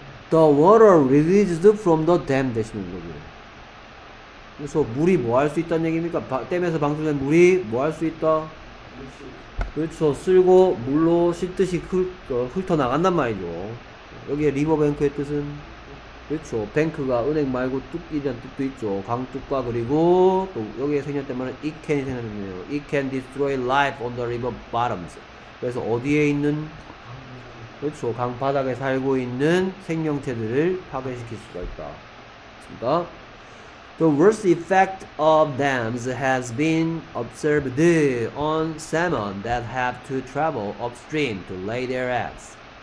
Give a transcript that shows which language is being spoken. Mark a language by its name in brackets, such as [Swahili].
[English] The water released from the dam [Korean] 되시는 거죠. 그래서 물이 뭐 할 수 있다는 얘기입니까? 댐에서 방출된 물이 뭐 할 수 있다? 그렇죠. 쓸고 물로 씻듯이 훑어나간단 말이죠. 여기에 리버뱅크의 뜻은 그렇죠. 뱅크가 은행 말고 뚝이라는 뜻도 있죠. 강뚝과 그리고 또 여기에 생략되면 it can이 생략되네요. [English] It can destroy life on the river bottoms. [Korean] 그래서 어디에 있는 그렇죠. 강바닥에 살고 있는 생명체들을 파괴시킬 수가 있다. 그렇습니다. [English] The worst effect of dams has been observed on salmon that have to travel upstream to lay their eggs.